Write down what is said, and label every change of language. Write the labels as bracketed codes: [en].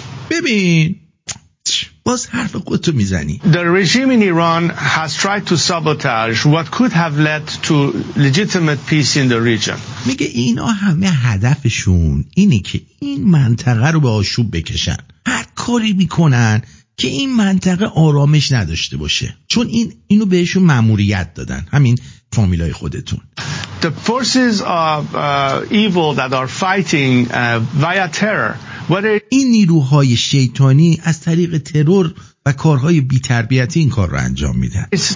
[fa] ببین باز حرف خودتو میزنی. [en] The regime in Iran has tried to sabotage what could have led to legitimate peace in the region. [fa] میگه اینا همه هدفشون اینه که این منطقه رو به آشوب بکشن. هر کاری میکنن که این منطقه آرامش نداشته باشه. چون اینو بهشون ماموریت دادن. همین فامیلای خودتون. [en] The forces of evil that are fighting via terror. [fa] این نیروهای شیطانی از طریق ترور و کارهای بی‌تربیتی این کار رو انجام میدن.